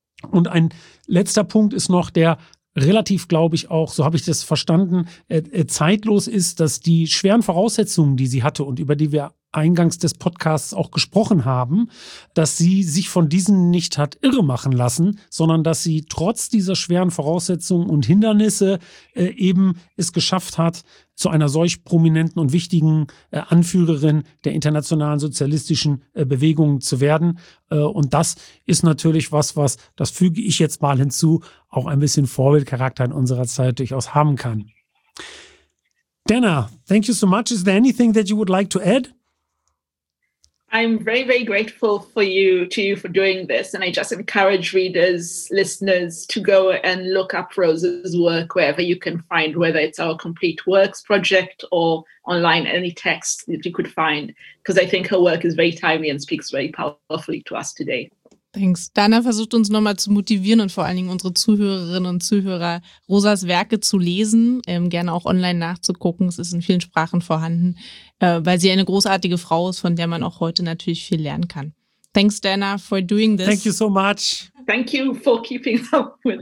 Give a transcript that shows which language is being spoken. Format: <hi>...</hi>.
<de>Und ein letzter Punkt ist noch der, relativ, glaube ich, auch, so habe ich das verstanden, zeitlos ist, dass die schweren Voraussetzungen, die sie hatte und über die wir eingangs des Podcasts auch gesprochen haben, dass sie sich von diesen nicht hat irre machen lassen, sondern dass sie trotz dieser schweren Voraussetzungen und Hindernisse eben es geschafft hat, zu einer solch prominenten und wichtigen Anführerin der internationalen sozialistischen Bewegung zu werden. Und das ist natürlich was, was, das füge ich jetzt mal hinzu, auch ein bisschen Vorbildcharakter in unserer Zeit durchaus haben kann.</de> <en>Denner, thank you so much. Is there anything that you would like to add? I'm very, very grateful for you, to you for doing this. And I just encourage readers, listeners to go and look up Rosa's work wherever you can find, whether it's our Complete Works project or online, any text that you could find. Because I think her work is very timely and speaks very powerfully to us today. Thanks.</en> <de>Dana versucht uns nochmal zu motivieren und vor allen Dingen unsere Zuhörerinnen und Zuhörer, Rosas Werke zu lesen, gerne auch online nachzugucken. Es ist in vielen Sprachen vorhanden, weil sie eine großartige Frau ist, von der man auch heute natürlich viel lernen kann.</de> <en>Thanks, Dana, for doing this. Thank you so much. Thank you for keeping up with</en>